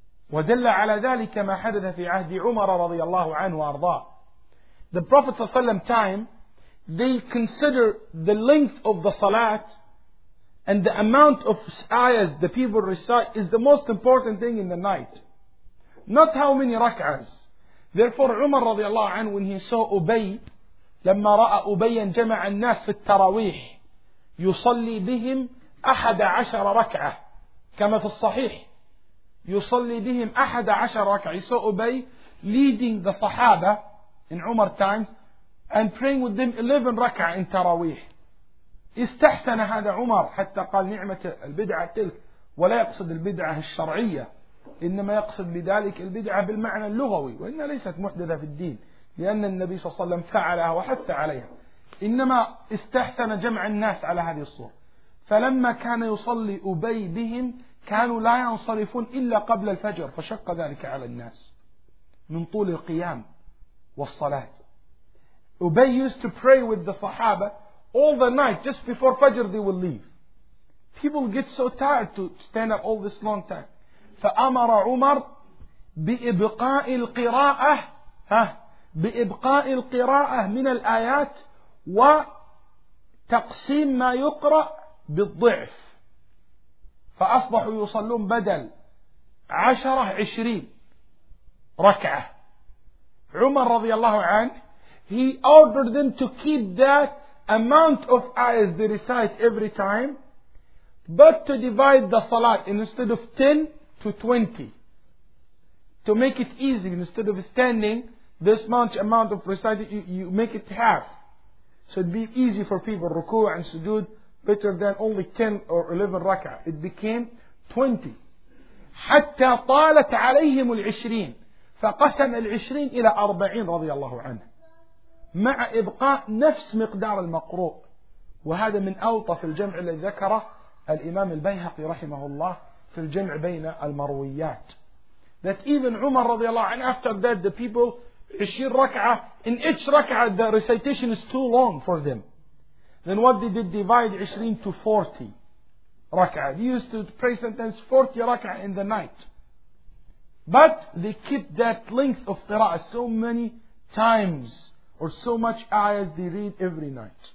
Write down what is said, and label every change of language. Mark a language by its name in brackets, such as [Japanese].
[Arabic] ودل على ذلك ما حدث في عهد عمر رضي الله عنه وارضاه. [English] The Prophet صلى الله عليه وسلم time, they consider the length of the salat and the amount of ayahs the people recite is the most important thing in the night, not how many rak'ahs. Therefore [Arabic] عمر رضي الله عنه, [English] when he saw Ubay, [Arabic] لما رأى أبيا جمع الناس في التراويح يصلي بهم 11 ركعة كما في الصحيح يصلي بهم 11 ركعة. [English] He saw Ubay leading the Sahaba in Umar times and praying with them 11 ركعة in Taraweeh. [Arabic] استحسن هذا عمر حتى قال نعمة البدعة تلك, ولا يقصد البدعة الشرعية, إنما يقصد بذلك البدعة بالمعنى اللغوي, وإن ليست محدثة في الدين لأن النبي صلى الله عليه وسلم فعلها وحث عليها, إنما استحسن جمع الناس على هذه الصورة. فلما كان يصلي أبي بهم كانوا لا ينصرفون إلا قبل الفجر, فشق ذلك على الناس من طول القيام والصلاة. [English] Ubay used to pray with the Sahaba all the night, just before Fajr they will leave. People get so tired to stand up all this long time. [Arabic] فأمر عمر بإبقاء القراءة, بإبقاء القراءة من الآيات وتقسيم ما يقرأ بالضعف. فأصبحوا يصلون بدل 10-20 ركعة. عمر رضي الله عنه, [English] he ordered them to keep that amount of ayahs they recite every time, but to divide the salat instead of 10 to 20, to make it easy. Instead of standing this much amount of reciting, you make it half, so it'd be easy for people, ruku' and sujood, better than only 10 or 11 rak'ah. It became 20. [Arabic] حتى طالت عليهم العشرين فقسم العشرين إلى 40 رضي الله عنه مع إبقاء نفس مقدار المقروء. وهذا من ألطف الجمع الذي ذكره الإمام البيهقي رحمه الله في الجمع بين المرويات. [English] That even [Arabic] عمر رضي الله عنه, [English] after that the people 20 rak'ah, in each rak'ah the recitation is too long for them. Then what they did, divide 20 to 40 rak'ah. They used to pray sometimes 40 rak'ah in the night. But they keep that length of qira'ah so many times, or so much ayahs they read every night.